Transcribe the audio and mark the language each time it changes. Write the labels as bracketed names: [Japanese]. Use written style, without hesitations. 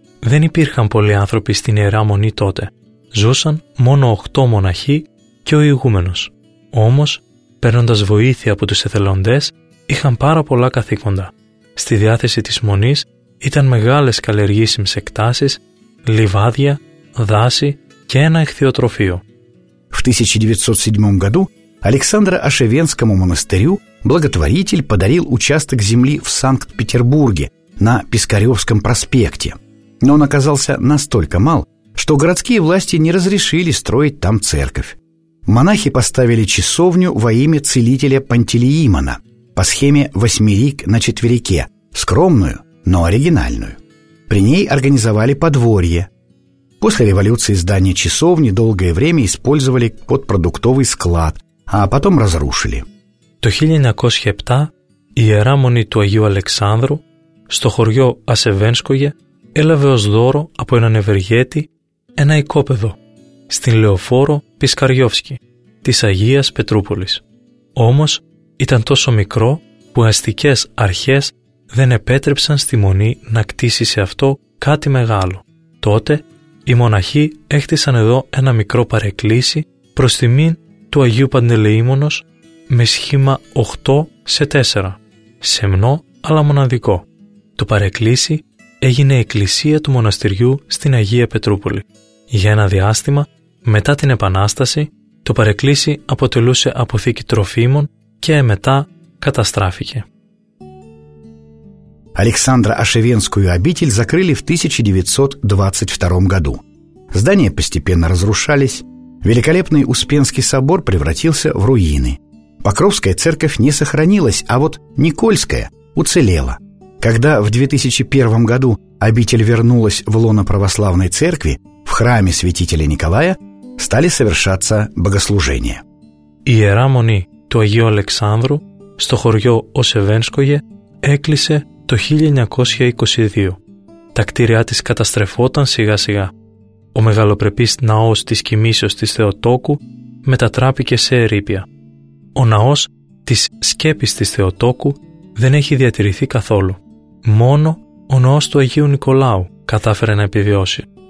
[Greek] Δεν υπήρχαν πολλοί άνθρωποι στην Ιερά Μονή τότε. Ζούσαν μόνο 8 μοναχοί και ο ηγούμενος. Όμως, παίρνοντας βοήθεια από τους εθελοντές, είχαν πάρα πολλά καθήκοντα. Στη διάθεση της Μονής ήταν μεγάλες καλλιεργήσιμες εκτάσεις, λιβάδια, δάση και ένα εχθειοτροφείο. [Russian] В 1907 году Александра Ашевенскому монастырю благотворитель подарил участок земли в Санкт-Петербурге на Пискаревском проспекте. Но он оказался настолько мал, что городские власти не разрешили строить там церковь. Монахи поставили часовню во имя целителя Пантелеимона по схеме «восьмерик на четверике», скромную, но оригинальную. При ней организовали подворье. После революции здание часовни долгое время использовали под продуктовый склад, а потом разрушили. В 1907 [Greek] ιεράμονη του Αγίου Αλεξάνδρου, στο χωριό Ασεβένσκογε, έλαβε ως δώρο από έναν ευεργέτη ένα οικόπεδο στην Λεωφόρο Πισκαριόφσκι της Αγίας Πετρούπολης. Όμως ήταν τόσο μικρό που οι αστικές αρχές δεν επέτρεψαν στη μονή να κτίσει σε αυτό κάτι μεγάλο. Τότε οι μοναχοί έχτισαν εδώ ένα μικρό παρεκκλήσι προς τιμήν του Αγίου Παντελεήμονος με σχήμα 8 σε 4, σεμνό αλλά μοναδικό. Το παρεκκλήσι έγινε εκκλησία του μοναστηριού στην Αγία Πετρούπολη. Για ένα διάστημα, μετά την Επανάσταση, το παρεκκλήσι αποτελούσε αποθήκη τροφίμων και μετά καταστράφηκε. [Russian] Александра Ашевенскую обитель закрыли в 1922 году. Здания постепенно разрушались, великолепный Успенский собор превратился в руины. Покровская церковь не сохранилась, а вот Никольская уцелела. Когда в 2001 году обитель вернулась в лоно православной церкви, в храме святителя Николая стали совершаться богослужения. [Greek] Иерамони ту Агио Александру сто хорьо Осевенское эклисе το 1922. Τα κτίρια της καταστρεφόταν σιγά σιγά. Ο μεγαλοπρεπής ναός της κοιμήσεως της Θεοτόκου μετατράπηκε σε ερείπια. Ο ναός της σκέπης της Θεοτόκου δεν έχει διατηρηθεί καθόλου. Μόνο ο ναός του Αγίου Νικολάου κατάφερε να επιβιώσει.